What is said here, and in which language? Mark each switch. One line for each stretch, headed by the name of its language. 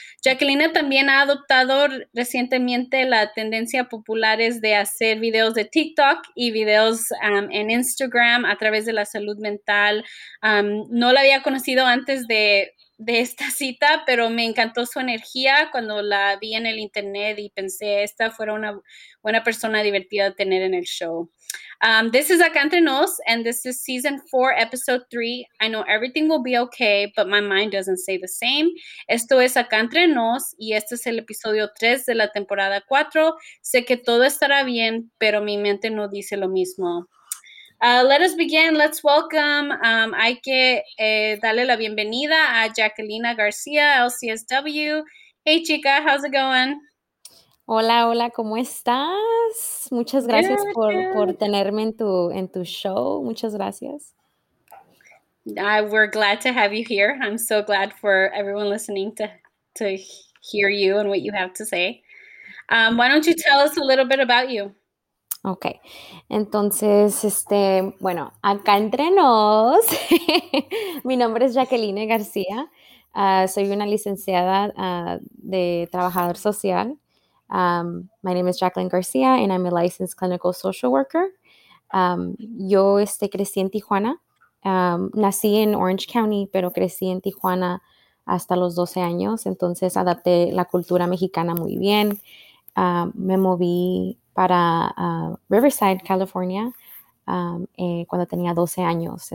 Spanish: Jacquelina también ha adoptado recientemente la tendencia popular es de hacer videos de TikTok y videos en Instagram a través de la salud mental. No la había conocido antes de esta cita, pero me encantó su energía cuando la vi en el internet y pensé esta fuera una buena persona divertida de tener en el show.
English: This is Acá Entre Nos, and this is season 4, episode 3. I know everything will be okay, but my mind doesn't say the same.
Spanish: Esto es Acá Entre Nos, y este es el episodio 3 de la temporada 4. Sé que todo estará bien, pero mi mente no dice lo mismo.
English: Let us begin. Let's welcome.
Spanish: Hay que darle la bienvenida a Jacquelina García, LCSW.
English: Hey, chica, how's it going?
Spanish: Hola, hola, ¿cómo estás? Muchas gracias por tenerme en tu show. Muchas gracias.
English: We're glad to have you here. I'm so glad for everyone listening to hear you and what you have to say. Why don't you tell us a little bit about you?
Spanish: Ok, entonces, bueno, acá entre nos, mi nombre es Jacquelina García, soy una licenciada de trabajador social.
English: My name is Jacqueline García and I'm a licensed clinical social worker.
Spanish: Yo crecí en Tijuana, nací en Orange County, pero crecí en Tijuana hasta los 12 años, entonces adapté la cultura mexicana muy bien, me moví para Riverside, California, cuando tenía 12 años.